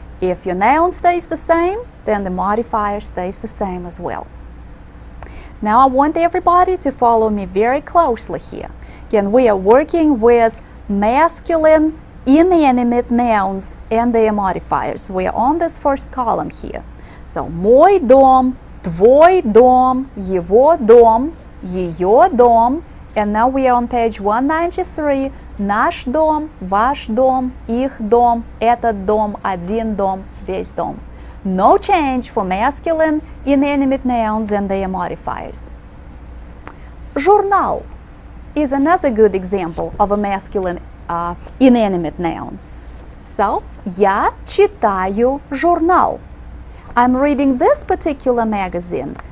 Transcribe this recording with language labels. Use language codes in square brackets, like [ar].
[en] If your noun stays the same, then the modifier stays the same as well. Now I want everybody to follow me very closely here. Again, we are working with masculine inanimate nouns and their modifiers. We are on this first column here. [ru] So, мой дом, твой дом, его дом, ее дом. [en] And now we are on page 193. [ru] Наш дом, ваш дом, их дом, этот дом, один дом, весь дом. [en] No change for masculine inanimate nouns and their modifiers. Журнал is another good example of a masculine inanimate noun. So, [ru] я читаю журнал. [en] I'm reading this particular magazine.